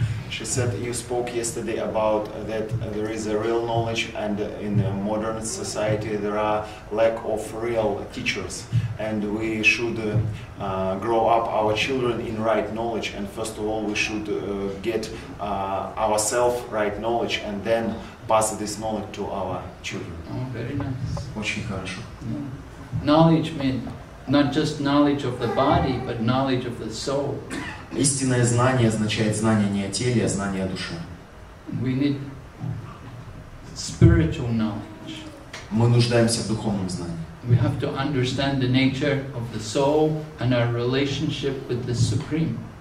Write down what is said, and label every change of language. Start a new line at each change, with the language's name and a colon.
English: She said you spoke yesterday about that there is a real knowledge and in the modern society there are lack of real teachers and we should grow up our children in right knowledge and first of all we should get ourselves right knowledge and then pass this knowledge to our children. Oh, very nice.
Russian: Очень хорошо.
English: Yeah. Knowledge means not just knowledge of the body but knowledge of the soul.
Russian: Истинное знание означает знание не о теле, а знание о душе.
English: We need spiritual knowledge.
Russian: Мы нуждаемся в духовном знании.
English: We have to understand the nature of the soul and our relationship with the Supreme.